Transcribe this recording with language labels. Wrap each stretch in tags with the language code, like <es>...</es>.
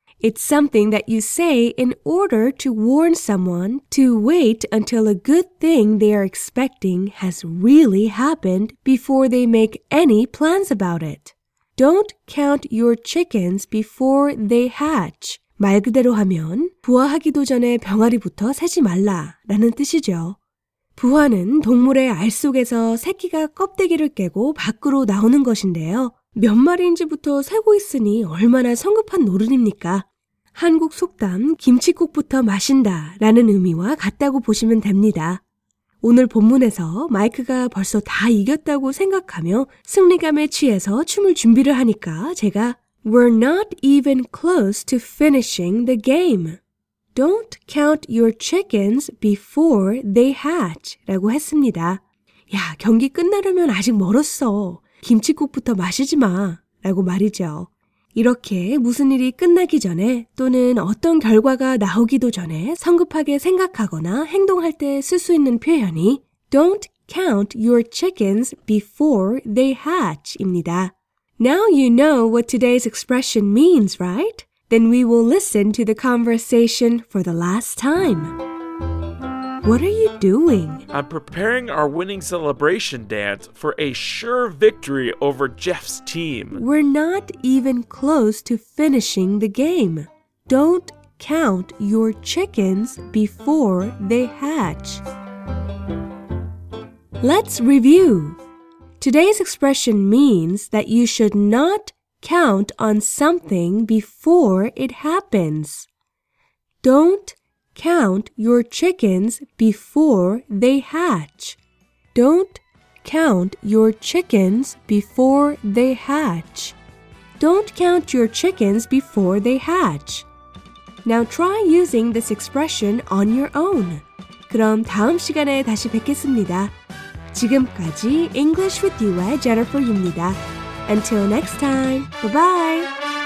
<en>It's something that you say in order to warn someone to wait until a good thing they are expecting has really happened before they make any plans about it. Don't count your chickens before they hatch.</en> <ko>말 그대로 하면 부화하기도 전에 병아리부터 세지 말라라는 뜻이죠. 부화는 동물의 알 속에서 새끼가 껍데기를 깨고 밖으로 나오는 것인데요. 몇 마리인지부터 세고 있으니 얼마나 성급한 노릇입니까? 한국 속담 김칫국부터 마신다 라는 의미와 같다고 보시면 됩니다. 오늘 본문에서 마이크가 벌써 다 이겼다고 생각하며 승리감에 취해서 춤을 준비를 하니까 제가</ko> <en>We're not even close to finishing the game. Don't count your chickens before they hatch</en> <ko>라고 했습니다. 야, 경기 끝나려면 아직 멀었어. 김칫국부터 마시지 마 라고 말이죠. 이렇게 무슨 일이 끝나기 전에 또는 어떤 결과가 나오기도 전에 성급하게 생각하거나 행동할 때 쓸 수 있는 표현이</ko> <en>Don't count your chickens before they hatch</en> <ko>입니다.</ko> <en>Now you know what today's expression means, right? Then we will listen to the conversation for the last time. What are you doing? I'm preparing our winning celebration dance for a sure victory over Jeff's team. We're not even close to finishing the game. Don't count your chickens before they hatch. Let's review. Today's expression means that you should not count on something before it happens. Don't count your chickens before they hatch. Don't count your chickens before they hatch. Don't count your chickens before they hatch. Now try using this expression on your own.</en> <ko>그럼 다음 시간에 다시 뵙겠습니다. 지금까지 English with You의 Jennifer입니다.</ko> <en>Until next time, bye-bye!</en>